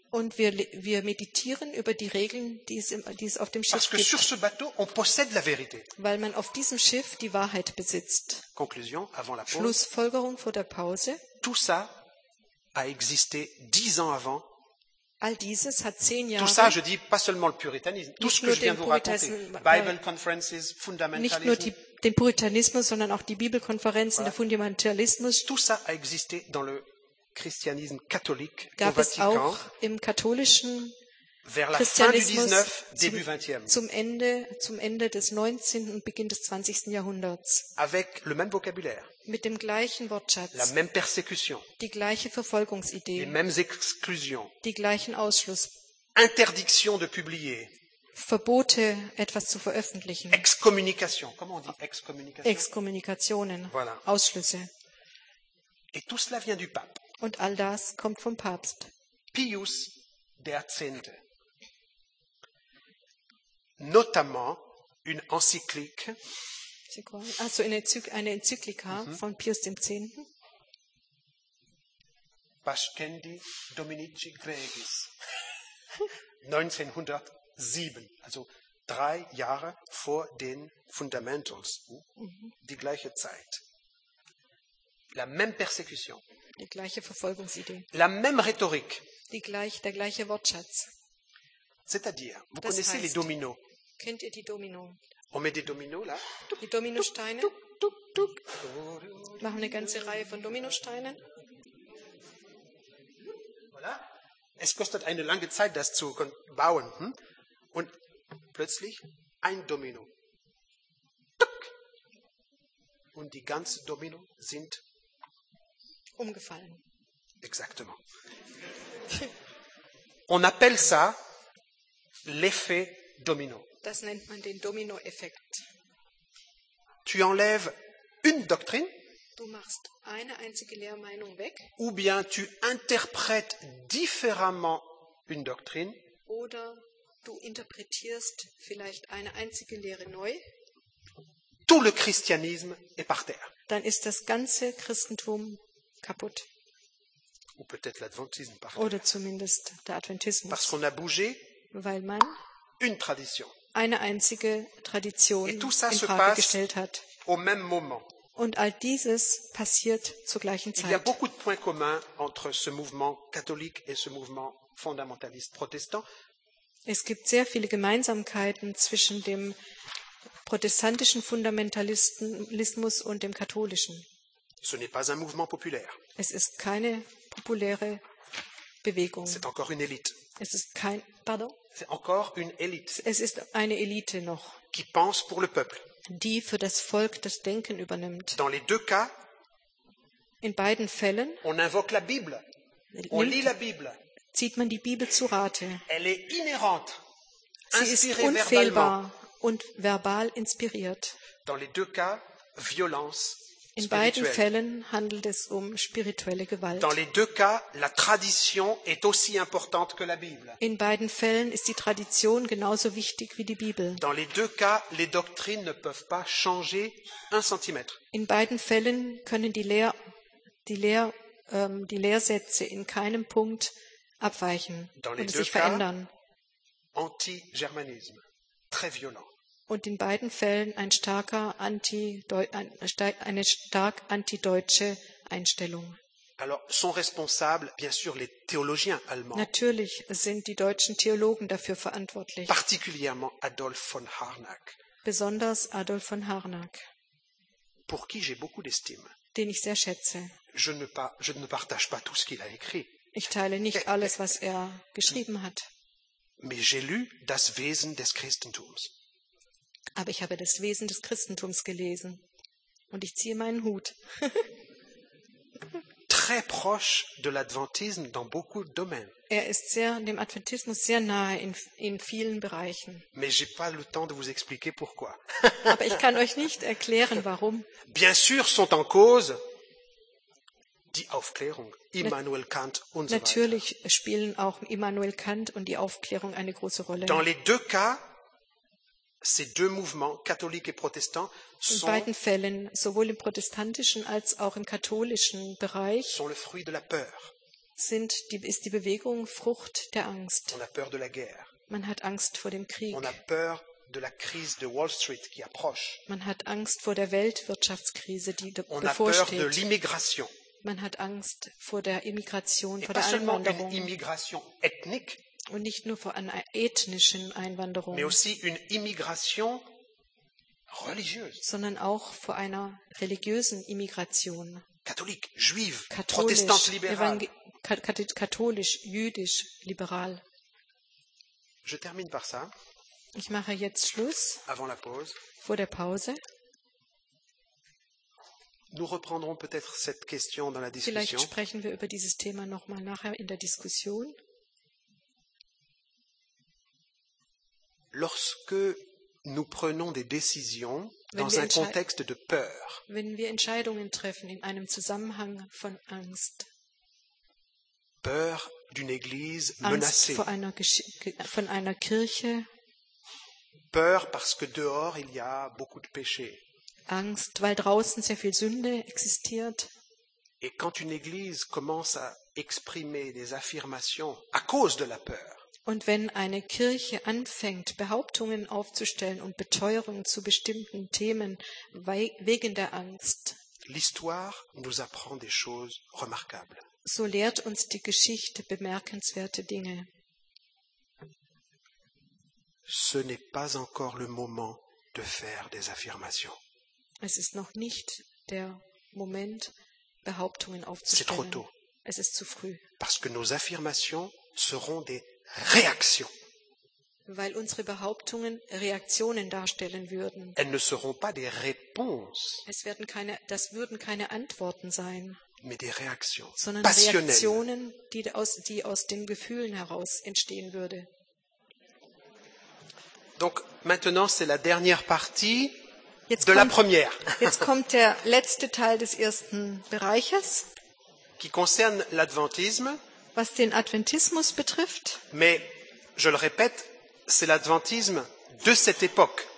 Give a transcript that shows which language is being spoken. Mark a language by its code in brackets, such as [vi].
[de] Und wir meditieren über die Regeln, die es auf dem Schiff gibt. [fr] Parce que sur ce bateau, on possède la vérité. [de] Weil man auf diesem Schiff die Wahrheit besitzt. [fr] Conclusion avant la pause. [de] Schlussfolgerung vor der Pause. [fr] Tout ça a existé 10 ans avant. [de] All dieses hat 10 Jahre. [fr] Tout ça, je dis pas seulement le puritanisme, tout ce que je viens de vous raconter. [en] Bible conferences, fundamentalism. [de] Nicht nur den Puritanismus, sondern auch die Bibelkonferenzen, voilà. Der Fundamentalismus. [fr] Tout ça a existé dans le christianisme catholique [de] gab [fr] au Vatikan. [de] Es auch im katholischen [fr] vers la [de] Christianismus [fr] fin du 19, début 20e. [de] Zum Ende des 19. und Beginn des 20. Jahrhunderts. [fr] Avec le même vocabulaire. [de] Mit dem gleichen Wortschatz. [fr] La même persécution. [de] Die gleiche Verfolgungsidee. [fr] Les mêmes exclusions. [de] Die gleichen Ausschluss. [fr] Interdiction de publier. [de] Verbote, etwas zu veröffentlichen. [fr] Excommunication. Comment on dit excommunication? [de] Exkommunikationen. [fr] Voilà. [de] Ausschlüsse. [fr] Et tout cela vient du pape. [de] Und all das kommt vom Papst. Pius XII. [fr] Notamment une encyclique. [de] Also eine Enzyklika von Pius XII. [la] Pascendi Dominici Gregis. 1907. [de] Also 3 Jahre vor den Fundamentals. Die gleiche Zeit. [fr] La même persécution. [de] Die gleiche Verfolgungsidee. [fr] La même rhétorique. [de] Der gleiche Wortschatz. [fr] C'est-à-dire, vous connaissez les dominos. [de] Kennt ihr die Domino? [fr] On met des dominos là. [de] Die Dominosteine. Tuk, tuk, tuk. Machen eine ganze Reihe von Dominosteinen. [fr] Voilà. [de] Es kostet eine lange Zeit, das zu bauen. Und plötzlich ein Domino. Tuk. Und die ganzen Domino sind umgefallen. [fr] Exactement. On appelle ça l'effet domino. [de] Das nennt man den Domino-Effekt. [fr] Tu enlèves une doctrine. [de] Du machst eine einzige Lehrmeinung weg. [fr] Ou bien tu interprètes différemment une doctrine. [de] Oder du interpretierst vielleicht eine einzige Lehre neu. [fr] Tout le christianisme est par terre. [de] Dann ist das ganze Christentum kaputt. [fr] Ou peut-être l'adventisme par [de] terre. Oder zumindest der Adventismus. [fr] Parce qu'on a bougé. [de] Weil man [fr] une tradition. [de] Eine einzige Tradition [fr] et tout ça [de] in [fr] se [de] Frage [fr] passe [de] gestellt hat. [fr] Au même moment. [de] Und all dieses passiert zur gleichen Zeit. [fr] Il y a beaucoup de points communs entre ce mouvement catholique et ce mouvement fondamentaliste protestant. [de] Es gibt sehr viele Gemeinsamkeiten zwischen dem protestantischen Fundamentalismus und dem katholischen. [fr] Ce n'est pas un mouvement populaire. [de] Es ist keine populäre Bewegung. [fr] C'est encore une élite. [de] Es ist kein Pardon? [fr] C'est encore une élite. [de] Es ist eine Elite noch. [fr] Qui pense pour le peuple. [de] Die für das Volk das Denken übernimmt. [fr] Dans les deux cas. [de] In beiden Fällen. [fr] On invoque la Bible. On lit la Bible. [de] Zieht man die Bibel zu Rate. [fr] Elle est inhérente. [de] Sie ist unfehlbar und verbal inspiriert. [fr] Dans les deux cas, violence. [de] In beiden Fällen handelt es um spirituelle Gewalt. [fr] Dans les deux cas, la tradition est aussi importante que la Bible. [de] In beiden Fällen ist die Tradition genauso wichtig wie die Bibel. [fr] Dans les deux cas, les doctrines ne peuvent pas changer un centimètre. [de] In beiden Fällen können die Lehrsätze in keinem Punkt abweichen [fr] Dans les [de] und [fr] deux [de] sich [fr] cas, [de] verändern. [fr] Anti-germanisme, très violent. [de] Und in beiden Fällen eine stark antideutsche Einstellung. [fr] Alors, sont responsables, bien sûr, les théologiens allemands. [de] Natürlich sind die deutschen Theologen dafür verantwortlich. [fr] Particulièrement Adolf von Harnack. [de] Besonders Adolf von Harnack. [fr] Pour qui j'ai beaucoup d'estime. [de] Den ich sehr schätze. [fr] Je ne partage pas tout ce qu'il a écrit. [de] Ich teile nicht alles, was er geschrieben hat. [fr] Mais j'ai lu das Wesen des Christentums. [de] Aber ich habe das Wesen des Christentums gelesen und ich ziehe meinen Hut. [fr] très proche de l'adventisme dans beaucoup de domaines. [de] Er ist sehr dem Adventismus sehr nahe in vielen Bereichen. [fr] Mais j'ai pas le temps de vous expliquer pourquoi. [de] Aber ich kann euch nicht erklären warum. [fr] Bien sûr sont en cause [de] die Aufklärung, Immanuel Kant und so natürlich weiter. Spielen auch Immanuel Kant und die Aufklärung eine große Rolle. [fr] Dans les deux cas, ces deux mouvements catholiques et protestants [de] sont in beiden Fällen, sowohl im protestantischen als auch im katholischen Bereich, [fr] sont le fruit de la peur. [de] Sind die, ist die Bewegung Frucht der Angst. [fr] On a peur de la guerre. [de] Man hat Angst vor dem Krieg. [fr] On a peur de la crise de Wall Street qui approche. [de] Man hat Angst vor der Weltwirtschaftskrise, die [fr] on [de] bevorsteht. [fr] A peur de l'immigration. [de] Man hat Angst vor der Immigration, [fr] et [de] vor der Einwanderung. [fr] Une immigration ethnique, [de] und nicht nur vor einer ethnischen Einwanderung, [fr] mais aussi une immigration religieuse. [de] Sondern auch vor einer religiösen Immigration. [fr] Katholik, juive, protestant, liberal. [de] Katholisch, jüdisch, liberal. [fr] Je termine par ça. [de] Ich mache jetzt Schluss. [fr] Avant la pause. [de] Vor der Pause. [fr] Nous reprendrons peut-être cette question dans la discussion. [de] Vielleicht sprechen wir über dieses Thema nochmal nachher in der Diskussion. [fr] Lorsque nous prenons des décisions dans un contexte de peur, [de] wenn wir Entscheidungen treffen in einem Zusammenhang von Angst, [fr] peur d'une église menacée, [de] vor einer von einer Kirche, [fr] peur parce que dehors il y a beaucoup de péché, [de] Angst, weil draußen sehr viel Sünde existiert. [fr] Et quand une église commence à exprimer des affirmations à cause de la peur. [de] Und wenn eine Kirche anfängt, Behauptungen aufzustellen und Beteuerungen zu bestimmten Themen wegen der Angst. [fr] L'histoire nous apprend des choses remarquables. [de] So lehrt uns die Geschichte bemerkenswerte Dinge. [fr] Ce n'est pas encore le moment de faire des affirmations. [de] Es ist noch nicht der Moment, Behauptungen aufzustellen. [fr] C'est trop tôt. [de] Es ist zu früh. [fr] Parce que nos affirmations seront des réactions. [de] Weil unsere Behauptungen Reaktionen darstellen würden. [fr] Elles ne seront pas des réponses. [de] Es werden keine, das würden keine Antworten sein. [fr] Mais des réactions. [de] Sondern Reaktionen, die aus den Gefühlen heraus entstehen würde. [fr] Donc maintenant c'est la dernière partie. De la première. [de] Jetzt kommt der letzte Teil des ersten Bereiches, [fr] qui concerne l'adventisme, [de] was den Adventismus betrifft. [fr] Mais je le répète, c'est l'adventisme de cette époque.